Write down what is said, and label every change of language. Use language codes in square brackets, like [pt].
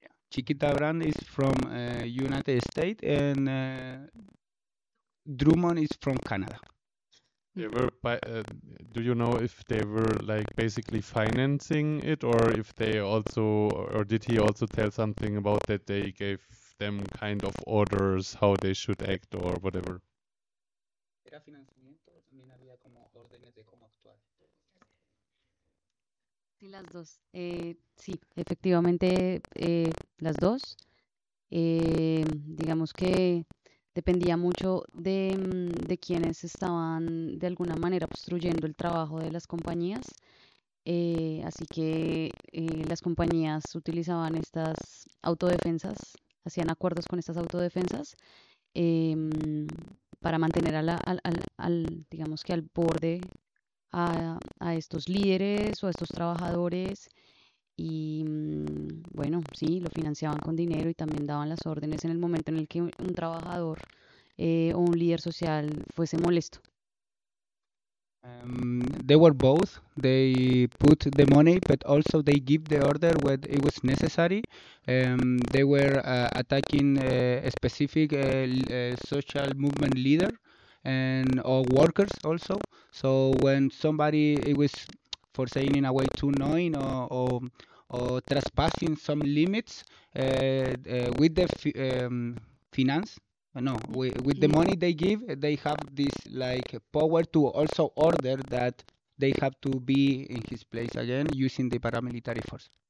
[en] Chiquita Brand is from United States, and Drummond is from Canada. They were, do you know if they were like basically financing it, or if they also, or did he also tell something about that they gave them kind of orders how they should act or whatever? [es] Era financiamiento, también había como órdenes de cómo actuar. Sí, las dos. Sí, efectivamente, las dos. Digamos que dependía mucho de quienes estaban de alguna manera obstruyendo el trabajo de las compañías. Así que las compañías utilizaban estas autodefensas, hacían acuerdos con estas autodefensas para mantener digamos que al borde a estos líderes o a estos trabajadores. Y bueno, sí, lo financiaban con dinero y también daban las órdenes en el momento en el que un trabajador o un líder social fuese molesto. [en] They were both. They put the money, but also they give the order when it was necessary. They were attacking a specific social movement leader and or workers also. So when somebody, it was, for saying in a way, too annoying or trespassing some limits with the finance, no, with the money they give, they have this like power to also order that they have to be in his place again using the paramilitary force.